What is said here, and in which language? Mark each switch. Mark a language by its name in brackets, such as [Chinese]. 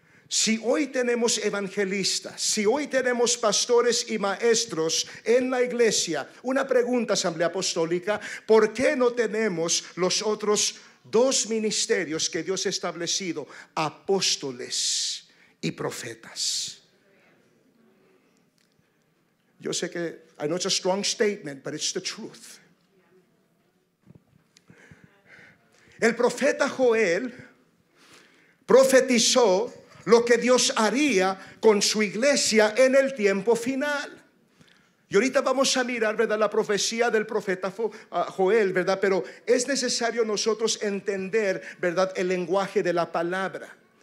[Spanish] Si hoy tenemos evangelistas, si hoy tenemos pastores y maestros en la iglesia, una pregunta, Asamblea Apostólica: ¿por qué no tenemos los otros dos ministerios que Dios ha establecido, apóstoles y profetas? Yo sé que, [English] I know it's a strong statement, but it's the truth. [Spanish] El profeta Joel profetizó lo que Dios haría con su iglesia en el tiempo final. Y ahorita vamos a mirar, ¿verdad?, la profecía del profeta Joel, ¿verdad? Pero es necesario nosotros entender, ¿verdad?, el lenguaje de la palabra.